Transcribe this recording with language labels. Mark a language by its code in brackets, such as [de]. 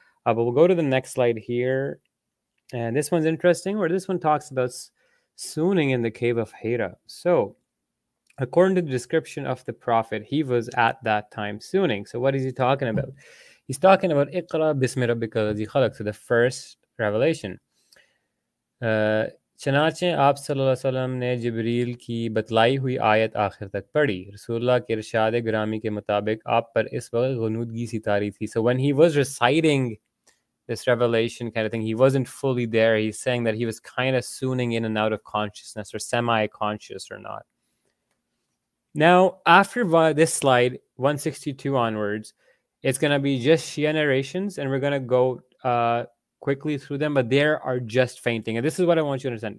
[en] But we'll go to the next slide here. And this one's interesting, where this one talks about swooning in the cave of Hira. So according to the description of the prophet, he was at that time swooning. So what is he talking about? He's talking about [ar] Iqra bismi rabbika ladhi khalaq, [en] so the first revelation. [ur] چنانچہ آپ صلی اللہ علیہ وسلم نے جبریل کی بتلائی ہوئی آیت آخر تک پڑھی رسول اللہ کے ارشاد گرامی کے مطابق آپ پر اس وقت غنودگی سی تاری تھی. [en] So when he was reciting this revelation kind of thing, he wasn't fully there. He's saying that he was kind of swooning in and out of consciousness, or semi-conscious or not. Now, after this slide, 162 onwards, it's going to be just Shia narrations, and we're going to go quickly through them, but they are just fainting. And this is what I want you to understand.